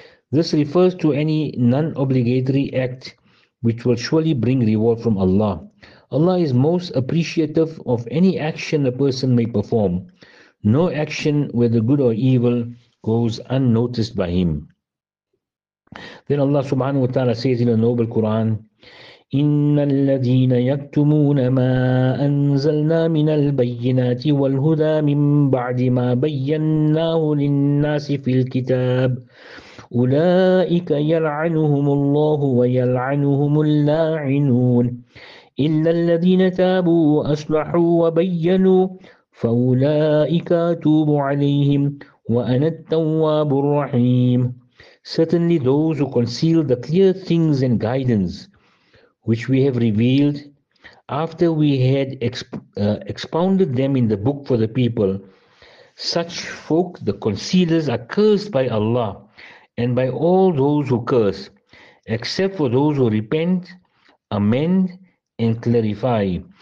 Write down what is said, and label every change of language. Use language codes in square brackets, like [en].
[en] This refers to any non-obligatory act which will surely bring reward from Allah. Allah is most appreciative of any action a person may perform. No action, whether good or evil, goes unnoticed by him. Then Allah subhanahu wa ta'ala says in the noble Quran, [ar] إِنَّ الَّذِينَ يَكْتُمُونَ مَا أَنزَلْنَا مِنَ الْبَيِّنَاتِ وَالْهُدَى مِن بَعْدِ مَا بَيَّنَّاهُ لِلنَّاسِ فِي الْكِتَابِ أُولَٰئِكَ يَلْعَنُهُمُ اللَّهُ وَيَلْعَنُهُمُ اللَّاعِنُونَ إِلَّا الَّذِينَ تَابُوا وَأَصْلَحُوا وَبَيَّنُوا فَأُولَٰئِكَ أَتُوبُ عَلَيْهِمْ وَأَنَا التَّوَّابُ الرَّحِيمُ. [en] Certainly those who conceal the clear things and guidance which we have revealed after we had expounded them in the book for the people, such folk, the concealers, are cursed by Allah and by all those who curse, except for those who repent, amend, and clarify.